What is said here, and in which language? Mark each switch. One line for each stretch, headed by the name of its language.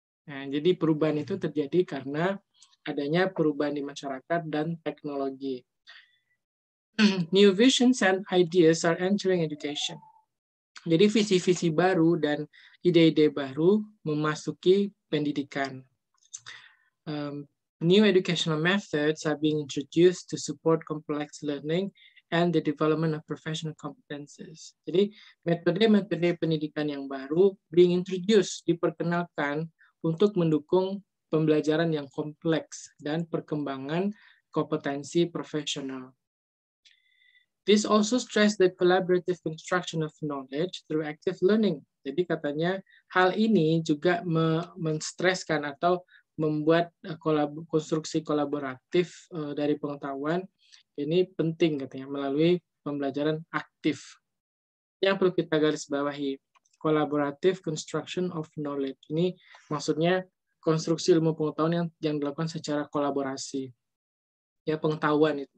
Indonesian: Nah, jadi perubahan itu terjadi karena adanya perubahan di masyarakat dan teknologi.
English: New visions and ideas are entering education.
Indonesian: Jadi visi-visi baru dan ide-ide baru memasuki pendidikan.
English: New educational methods are being introduced to support complex learning and the development of professional competences.
Indonesian: Jadi metode-metode pendidikan yang baru
English: being introduced,
Indonesian: diperkenalkan untuk mendukung pembelajaran yang kompleks dan perkembangan kompetensi profesional.
English: This also stresses the collaborative construction of knowledge through active learning.
Indonesian: Jadi katanya hal ini juga menstreskan atau membuat konstruksi kolaboratif dari pengetahuan ini penting katanya melalui pembelajaran aktif. Yang perlu kita garis bawahi,
English: collaborative construction of knowledge
Indonesian: ini maksudnya konstruksi ilmu pengetahuan yang dilakukan secara kolaborasi. Ya, pengetahuan itu.